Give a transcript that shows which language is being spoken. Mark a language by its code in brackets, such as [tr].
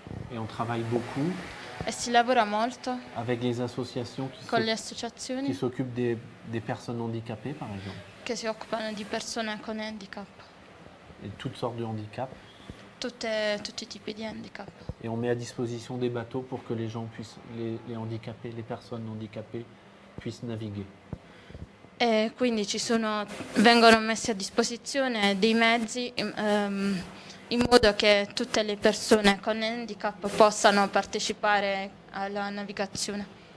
[fr] Et on travaille beaucoup. [it] E si lavora molto. [fr] Avec les associations qui s'occupent des personnes handicapées, par exemple. [it] Che si occupano di persone con handicap. [fr] Et toutes sortes de handicap. [it] Tutti i tipi di handicap. [fr] Et on met à disposition des bateaux pour que les gens puissent les handicapés, les personnes handicapées puissent naviguer. [it] E quindi ci sono vengono messi a disposizione dei mezzi in modo che tutte le persone con handicap possano partecipare alla navigazione.